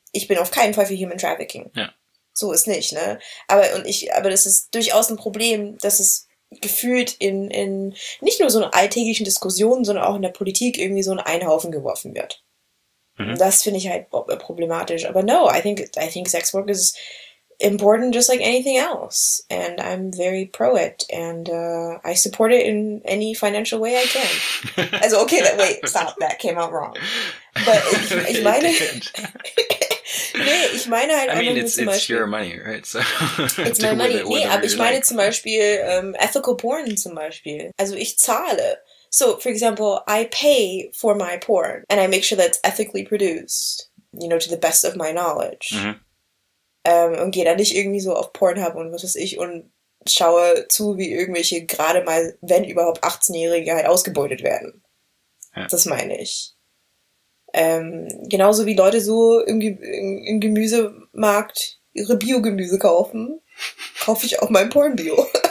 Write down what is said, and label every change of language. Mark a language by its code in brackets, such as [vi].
[de] Ich bin auf keinen Fall für Human Trafficking. Ja. So ist nicht, ne? Aber das ist durchaus ein Problem, dass es gefühlt in nicht nur so einer alltäglichen Diskussion, sondern auch in der Politik irgendwie so in einen Haufen geworfen wird. Mhm. Das finde ich halt problematisch. [en] Aber no, I think Sexwork is important just like anything else. And I'm very pro it. And I support it in any financial way I can. Also, okay, wait, stop. That came out wrong. But [de] ich meine... ich meine halt... [en] I mean, it's your money, right? So, it's my money. [de] Nee, aber ich meine zum Beispiel [en] ethical porn [de] zum Beispiel. Also ich zahle. [en] So, for example, I pay for my porn. And I make sure that it's ethically produced. You know, to the best of my knowledge. Mm-hmm. [de] Und gehe dann nicht irgendwie so auf Pornhub und was weiß ich und schaue zu, wie irgendwelche gerade mal, wenn überhaupt, 18-Jährige halt ausgebeutet werden. Ja. Das meine ich. Genauso wie Leute so im Gemüsemarkt ihre Bio-Gemüse kaufen, kaufe ich auch mein Porn-Bio.